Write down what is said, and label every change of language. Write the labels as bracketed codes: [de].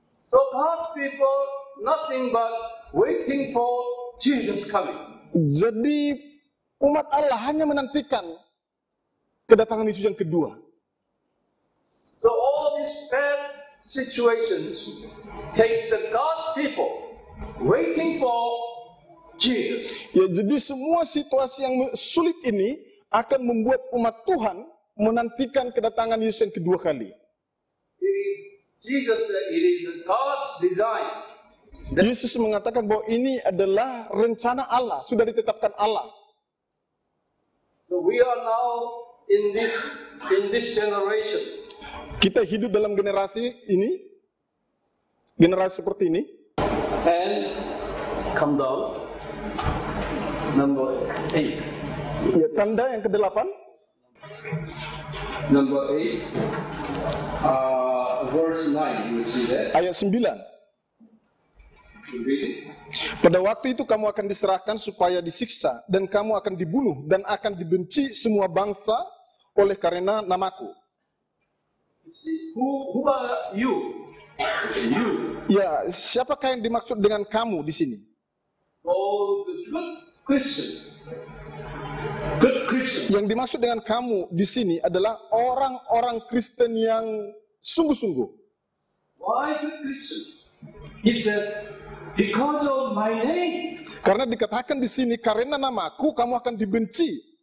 [en] So God's people nothing but waiting for Jesus coming. [id] Jadi umat Allah hanya menantikan kedatangan Yesus yang kedua. [en] So all this bad situations takes the God's people waiting for Jesus. [id] Ya, jadi semua situasi yang sulit ini akan membuat umat Tuhan menantikan kedatangan Yesus yang kedua kali. [en] Jesus said it is God's design. [id] Yesus mengatakan bahwa ini adalah rencana Allah, sudah ditetapkan Allah. [en] So we are now in this generation. [id] Kita hidup dalam generasi ini, generasi seperti ini. [en] And come down number 8. [id] Ya, tanda yang ke-8. [en] Number 8, verse 9, you see that? [id] Ayat 9. Pada waktu itu kamu akan diserahkan supaya disiksa, dan kamu akan dibunuh, dan akan dibenci semua bangsa oleh karena namaku. [en] Who are you? You. [id] Ya, siapakah yang dimaksud dengan kamu di sini? [en] Oh, good Christian. [id] Yang dimaksud dengan kamu di sini adalah orang-orang Kristen yang sungguh-sungguh. [en] Why good Christian? He said, because of my name. [id] Karena dikatakan di sini, karena namaku kamu akan dibenci.